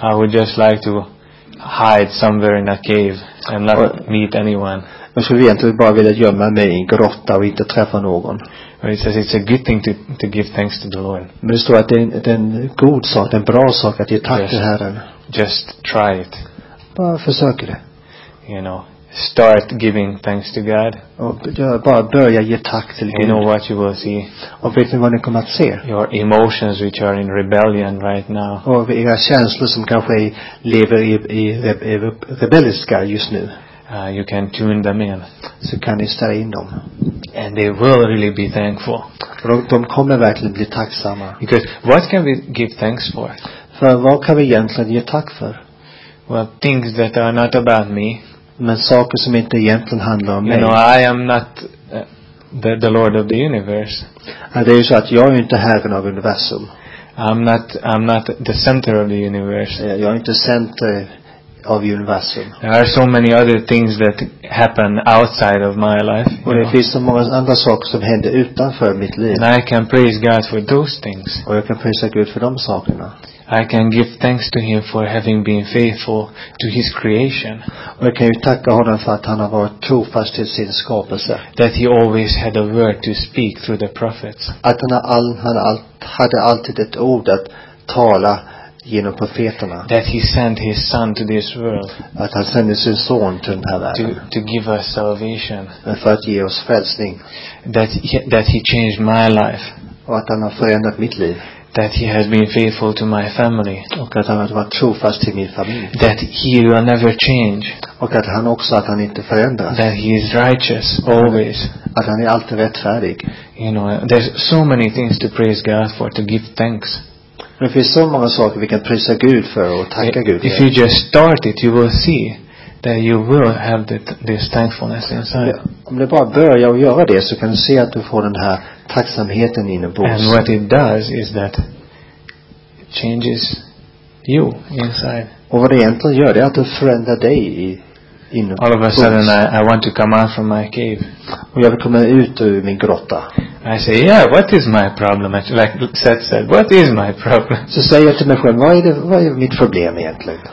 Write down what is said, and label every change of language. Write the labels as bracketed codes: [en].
[en] I would just like to hide somewhere in a cave and not meet anyone. [sv] Jag skulle egentligen bara vilja gömma mig i en grotta och inte träffa någon. [en] But it says it's a good thing to give thanks to the Lord. [sv] Men det står att det är en god sak, en bra sak att ge tack till Herren. [en] Just try it. [sv] Bara försök det. [en] You know, start giving thanks to God. [sv] Och bara börja ge tack till Gud. [en] You know what you will see. [sv] Och vet ni vad ni kommer att se? [en] Your emotions which are in rebellion right now. [sv] Och era känslor som kanske lever i rebelliska just nu. [en] You can tune them in. [sv] Så kan ni ställa in dem. [en] And they will really be thankful. [sv] Och de kommer verkligen bli tacksamma. [en] Because what can we give thanks for? [sv] För vad kan vi egentligen ge tack för? [en] Well, things that are not about me. [sv] men saker som inte egentligen handlar om [en] you [sv] mig. [en] You know, I am not the Lord of the universe. [sv] Det är så att jag är inte herren av universum. [en] I'm not the center of the universe. [sv] Yeah, jag är inte [en] center of [sv] universum. [en] There are so many other things that happen outside of my life. [sv] Och det finns så många andra saker som händer utanför mitt liv. [en] And I can praise God for those things. [sv] Och jag kan prisa Gud för de sakerna. [en] I can give thanks to him for having been faithful to his creation. [sv] Och jag kan ju tacka honom för att han har varit trofast till sin skapelse. [en] That he always had a word to speak through the prophets. [sv] Att han hade alltid ett ord att tala genom profeterna. [en] That he sent his son to this world. [sv] Att han sände sin son till den här världen. [en] To give us salvation. [sv] För att ge oss frälsning. [en] That he changed my life. [sv] Och att han har förändrat mitt liv. [en] That he has been faithful to my family. [sv] Och att han har varit trofast till min familj. [en] That he will never change. [sv] Och att han också att han inte förändras. [en] That he is righteous always. [sv] Att han är alltid rättfärdig. [en] You know, there's so many things to praise God for, to give thanks. [sv] Det finns så många saker vi kan prisa Gud för och tacka Gud. [en] If you just start it, you will see that you will have this thankfulness inside. [sv] Om du bara börjar och göra det, så kan du se att du får den här tacksamheten inombords. [en] And what it does is that it changes you inside. [sv] Och vad det egentligen gör, det är att du förändrar dig inombords. [en] All of a sudden I want to come out from my cave. [sv] Och jag vill komma ut ur min grotta. [en] I say, yeah, what is my problem? Like Seth said, what is my problem? [sv] Så säger jag till mig själv, vad är mitt problem egentligen?